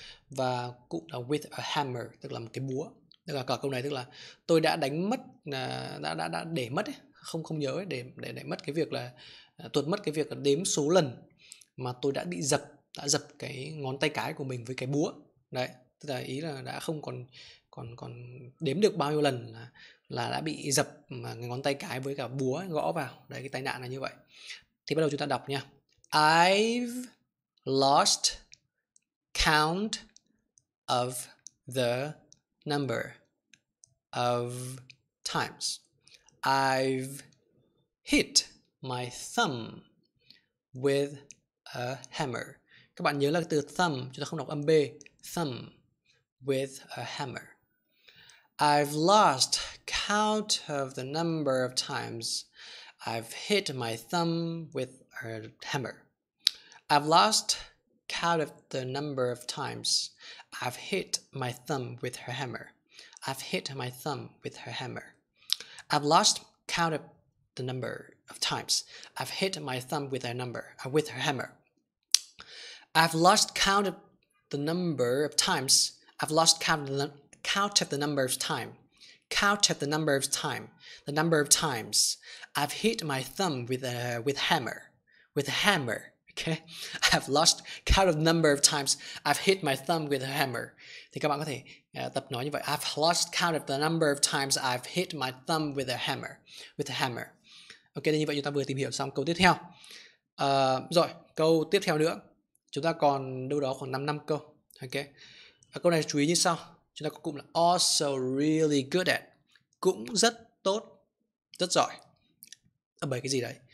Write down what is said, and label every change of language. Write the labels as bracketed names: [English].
[Vietnamese] Và cụ là [English] with a hammer, [Vietnamese] tức là một cái búa. Tức là cả câu này tức là tôi đã đánh mất, đã để mất ấy, không nhớ ấy, để mất cái việc là tuột mất cái việc là đếm số lần mà tôi đã bị dập, đã dập cái ngón tay cái của mình với cái búa. Đấy, tức là ý là đã không còn đếm được bao nhiêu lần là đã bị dập mà ngón tay cái với cả búa gõ vào. Đấy, cái tai nạn là như vậy. Thì bắt đầu chúng ta đọc nha. [English] I've lost count of the number of times. I've hit my thumb with a hammer. [Vietnamese] Các bạn nhớ là từ thumb, chúng ta không đọc âm B. [English] Thumb with a hammer. I've lost count of the number of times I've hit my thumb with a hammer. I've lost count of the number of times I've hit my thumb with her hammer. I've hit my thumb with her hammer. I've lost count of the number of times I've hit my thumb with her number, with her hammer. I've lost count of the number of times I've lost count of the number of times I've hit my thumb with a hammer. Okay, I've lost count of the number of times I've hit my thumb with a hammer. [Vietnamese] Thì các bạn có thể tập nói như vậy. [English] I've lost count of the number of times I've hit my thumb with a hammer. With a hammer. [Vietnamese] Okay, thì như vậy chúng ta vừa tìm hiểu xong câu tiếp theo. Rồi, câu tiếp theo nữa. Chúng ta còn đâu đó khoảng 5 câu. Okay. Câu này chú ý như sau. Chúng ta có cụm là [English] also really good at. [Vietnamese] Cũng rất tốt, rất giỏi. Bởi cái gì đấy?